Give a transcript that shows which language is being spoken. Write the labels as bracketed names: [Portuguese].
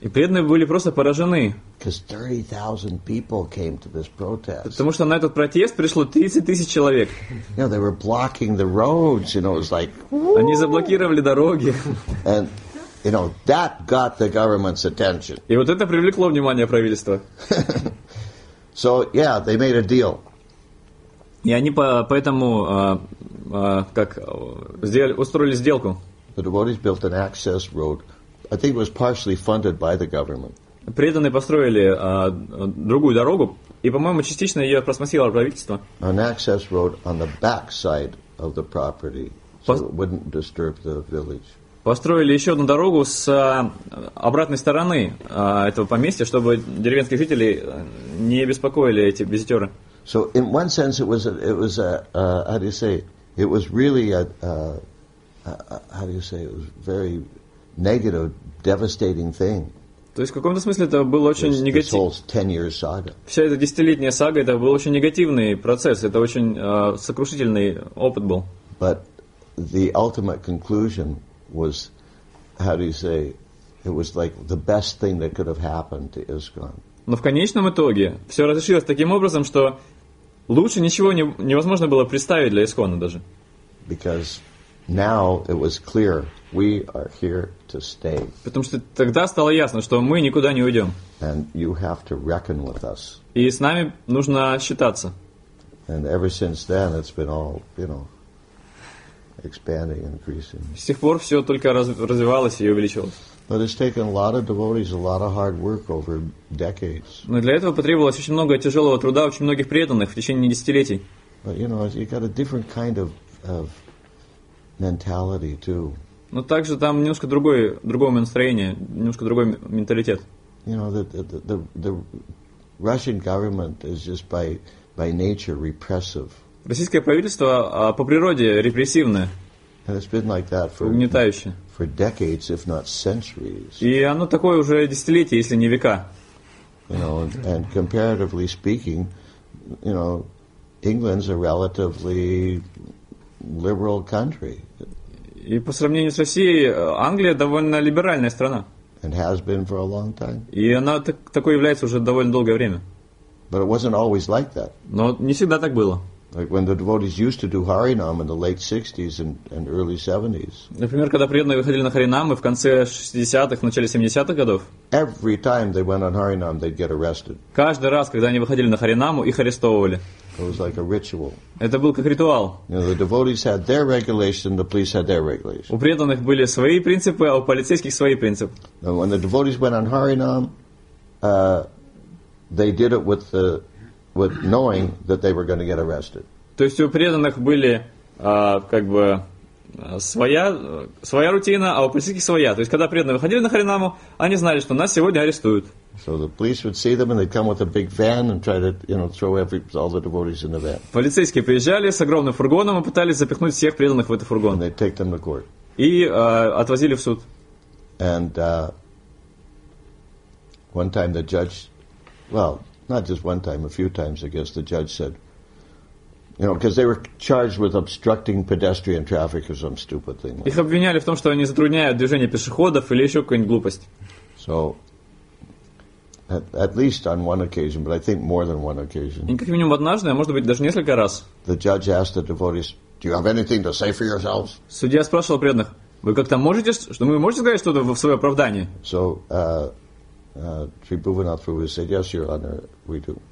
[Russian] И преданные были просто поражены. [English] Because 30,000 people came to this protest. [Russian] Потому что на этот протест пришло 30,000 человек. [English] Yeah, they were blocking the roads, you know, it was like. [Russian] Они заблокировали дороги. [English] And you know, that got the government's attention. [Russian] И вот это привлекло внимание правительства. [English] So, yeah, they made a deal. [Russian] И они поэтому устроили сделку. [English] The devotees built an access road. I think it was partially funded by the government. [Russian] Преданные построили другую дорогу, и, по-моему, частично ее просмотрело правительство. [English] An access road on the back side of the property, so it wouldn't disturb the village. [Russian] Построили еще одну дорогу с обратной стороны этого поместья, чтобы деревенские жители не беспокоили эти визитеры. [English] So in one sense it was a very negative, devastating thing. [Russian] То есть в каком-то смысле это был очень негативный. Вся эта десятилетняя сага, это был очень негативный процесс, это очень сокрушительный опыт был. [English] But the ultimate conclusion was, it was like the best thing that could have happened to ISKCON. [Russian] Но в конечном итоге все разрешилось таким образом, что лучше ничего невозможно было представить для ИСКОНа даже. [English] Because now it was clear we are here to stay. [Russian] Потому что тогда стало ясно, что мы никуда не уйдем. [English] And you have to reckon with us. [Russian] И с нами нужно считаться. [English] And ever since then it's been all, you know, expanding, increasing. [Russian] С тех пор все только развивалось и увеличилось. [English] But it's taken a lot of devotees, a lot of hard work over decades. [Russian] Но для этого потребовалось очень много тяжелого труда очень многих преданных в течение десятилетий. [English] But you know, you got a different kind of mentality too. [Russian] Но также там немножко другое настроение, немножко другой менталитет. [English] You know, the Russian government is just by nature repressive. [Russian] Российское правительство по природе репрессивное. [English] And it's been like that for [Russian] угнетающее. [English] For decades, if not centuries. [Russian] И оно такое уже десятилетия, если не века. [English] You know, and comparatively speaking, you know, England's a relatively liberal country. [Russian] И по сравнению с Россией, Англия довольно либеральная страна. [English] And has been for a long time. [Russian] И она такой является уже довольно долгое время. [English] But it wasn't always like that. [Russian] Но не всегда так было. [English] Like when the devotees used to do Harinam in the late 60s and early 70s. [Russian] Например, когда преданные выходили на Харинамы в конце 60-х, в начале 70-х годов. [English] Every time they went on Harinam, they'd get arrested. [Russian] Каждый раз, когда они выходили на Харинаму, их арестовывали. [English] It was like a ritual. [Russian] Это был как ритуал. [English] You know, the devotees had their regulation, the police had their regulation. [Russian] У преданных были свои принципы, а у полицейских свои принципы. [English] And when the devotees went on Harinam, they did it with knowing that they were going to get arrested. [Russian] То есть у преданных были как бы своя рутина, а у полицейских своя. То есть когда преданные выходили на Харинаму, они знали, что нас сегодня арестуют. [English] So the police would see them and they'd come with a big van and try to, you know, throw all the devotees in the van. [Russian] Полицейские приезжали с огромным фургоном и пытались запихнуть всех преданных в этот фургон. [English] And they'd take them to court. [Russian] И отвозили в суд. [English] And one time the judge, well, not just one time, a few times, I guess, the judge said, you know, because they were charged with obstructing pedestrian traffic or some stupid thing. [Russian] Их обвиняли в том, что они затрудняют движение пешеходов или еще какую-нибудь глупость. [English] So, at least on one occasion, but I think more than one occasion. [Russian] И как минимум однажды, а может быть даже несколько раз. [English] The judge asked the devotees, "Do you have anything to say for yourselves?" [Russian] Судья спрашивал преданных, вы как-то можете, что вы можете сказать что-то в свое оправдание? [English] So, Tribhuvanath Prabhu said, "Yes, Your Honor, we do."